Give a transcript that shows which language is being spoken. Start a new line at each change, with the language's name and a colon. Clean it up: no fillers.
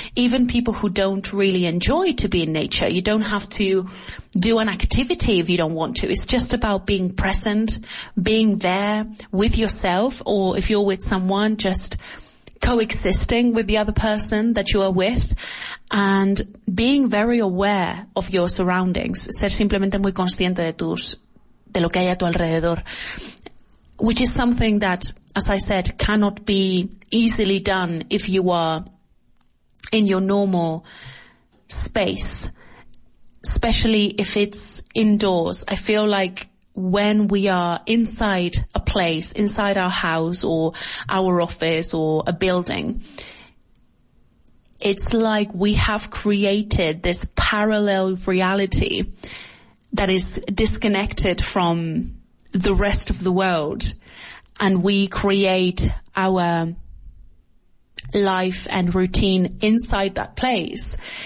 English: Even people who don't really enjoy to be in nature. You don't have to do an activity if you don't want to. It's just about being present, being there with yourself, or if you're with someone, just coexisting with the other person that you are with and being very aware of your surroundings.
Spanish: Ser simplemente muy consciente de lo que hay a tu alrededor.
English: Which is something that, as I said, cannot be easily done if you are in your normal space, especially if it's indoors. I feel like when we are inside a place, inside our house or our office or a building, it's like we have created this parallel reality that is disconnected from the rest of the world, and we create our life and routine inside that place.